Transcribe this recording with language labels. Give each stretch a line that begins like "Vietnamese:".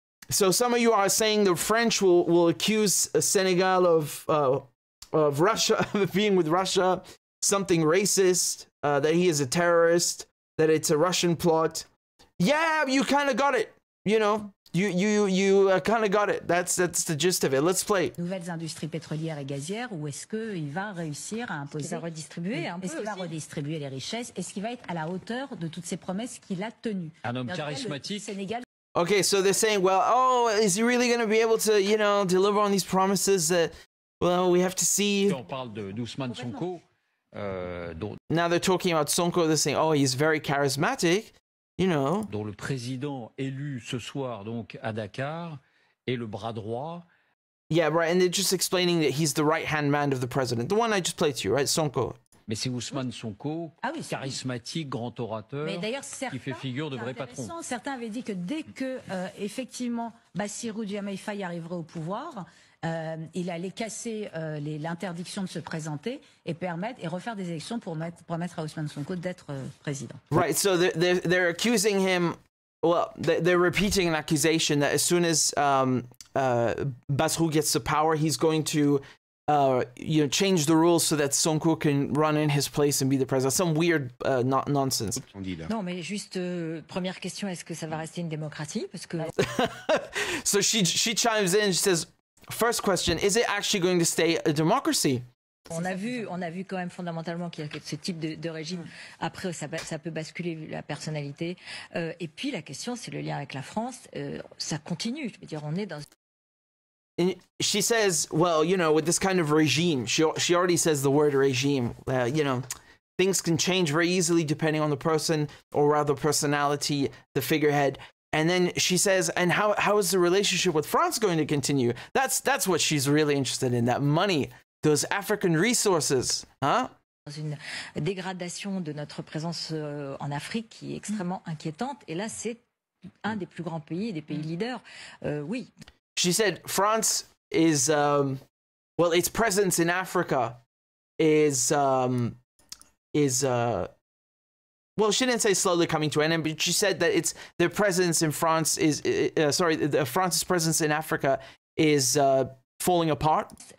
English: So some of you are saying the French will accuse Senegal of Russia, of being with Russia, something racist, that he is a terrorist, that it's a Russian plot. Yeah, you kind of got it, you know. You kind of got it. That's the gist of it. Let's play.
French: Nouvelles industries pétrolières et gazières, ou est-ce que il va réussir à imposer? Est-ce qu'il va redistribuer un peu? Est-ce qu'il va redistribuer les richesses? Est-ce qu'il va être à la hauteur de toutes ces promesses qu'il a tenues? Un homme charismatique. Sénégal.
English: Okay, so they're saying, well, oh, is he really going to be able to, you know, deliver on these promises? Well, we have to see.
French: On parle de Ousmane Sonko.
English: Now they're talking about Sonko. They're saying, oh, he's very charismatic. You know,
French: dont le président élu ce soir donc à Dakar est le bras droit.
English: Yeah, right, and they're just explaining that he's the right-hand man of the president. The one I just played to you, right, Sonko.
French: Mais c'est Ousmane Sonko, ah oui, charismatique, grand orateur, mais d'ailleurs, certains, qui fait figure de vrai patron. Certains avaient dit que dès que, effectivement, Bassirou Diomaye Faye arriverait au pouvoir, il allait casser l'interdiction de se présenter et permettre et refaire des élections pour permettre à Ousmane Sonko d'être président.
English: Right, so they're accusing him, well, they're repeating an accusation that as soon as Bassirou gets the power, he's going to you know, change the rules so that Sonko can run in his place and be the president. Some weird nonsense.
French: Non, mais juste première question, est-ce que ça va rester une démocratie? Parce que...
English: So she chimes in, she says, first question, is it actually going to stay a democracy?
French: On a vu quand même fondamentalement qu'il y a ce type de régime. Après, ça peut basculer la personnalité. Et puis la question, c'est le lien avec la France. Ça continue, je veux dire, on est dans...
English: And she says, well, you know, with this kind of regime, she already says the word regime, you know, things can change very easily depending on the person, or rather personality, the figurehead. And then she says, and how is the relationship with France going to continue? That's what she's really interested in, that money, those African resources, huh?
French: Une dégradation de notre présence en Afrique qui est extrêmement inquiétante. Et là, c'est un des plus grands pays, des pays leaders. Oui.
English: She said France is, well, its presence in Africa is, she didn't say slowly coming to an end, but she said that it's their presence in France is, France's presence in Africa is falling apart.